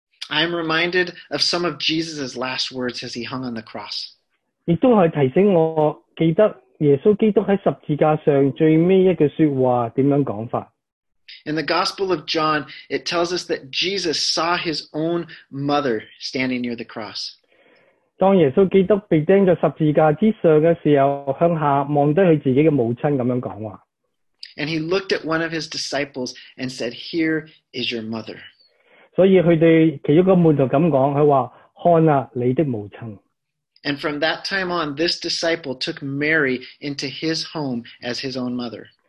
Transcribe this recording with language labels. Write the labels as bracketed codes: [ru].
[en] I'm reminded of some of Jesus' last words as he hung on the cross. [yue] 亦都係提醒我記得耶穌基督喺十字架上最尾一句說話點樣講法。 [en] In the Gospel of John, it tells us that Jesus saw his own mother standing near the cross. [yue] 當耶穌基督被釘在十字架之上的時候，向下望低佢自己嘅母親咁樣講話。 [en] And he looked at one of his disciples and said, "Here is your mother." [yue] 所以佢對其中一個門徒咁講，佢話：看啊，你的母親。 [en] And from that time on, this disciple took Mary into his home as his own mother.